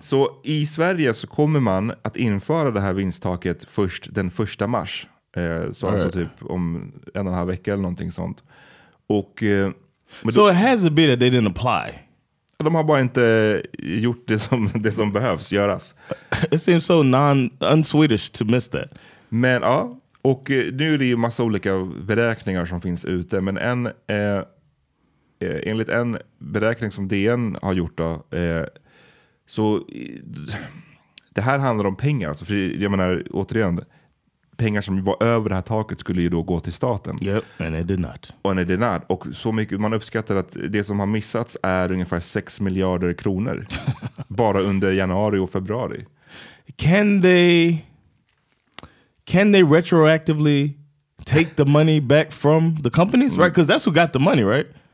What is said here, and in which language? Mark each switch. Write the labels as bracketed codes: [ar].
[sv] Så i Sverige så kommer man att införa det här vinsttaket först den 1 mars. Så alltså typ om en och en halv vecka eller någonting sånt. Och [en] men so it has to be that they didn't apply. [sv] De har bara inte gjort det som behövs göras. [en] It seems so unswedish to miss that. [sv] Men ja, och nu är det ju massa olika beräkningar som finns ute, men en enligt en beräkning som DN har gjort då, så det här handlar om pengar, alltså, för jag menar återigen, pengar som var över det här taket skulle ju då gå till staten. [en] Yep, and it did not. And it did not. [sv] Och så mycket, man uppskattar att det som har missats är ungefär 6 miljarder kronor. Bara under januari och februari. [en] Can they retroactively take the money back from the companies? Right? Because that's who got the money, right?